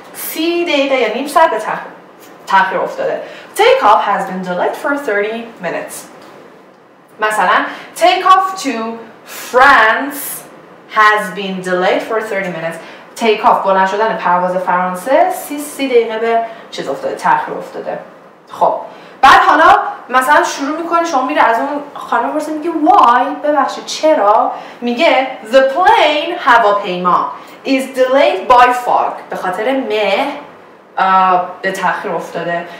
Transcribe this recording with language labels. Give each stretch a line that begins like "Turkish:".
Persian: 30 دقیقه یا نیم ساعت به تاخیر افتاده.
English: Take off has been delayed for 30 minutes.
Persian: مثلا
English: take off to France has been delayed for 30 minutes.
Persian: Take off بلند شدن پرواز فرانسه 30 دقیقه به چیز افتاده، تاخیر افتاده. خب بعد حالا مثلا شروع میکنه، شما میره از اون خانم برسه میگه why، ببخشید چرا، میگه
English: the plane
Persian: هواپیما
English: is delayed by fog،
Persian: به خاطر مه به تاخیر افتاده.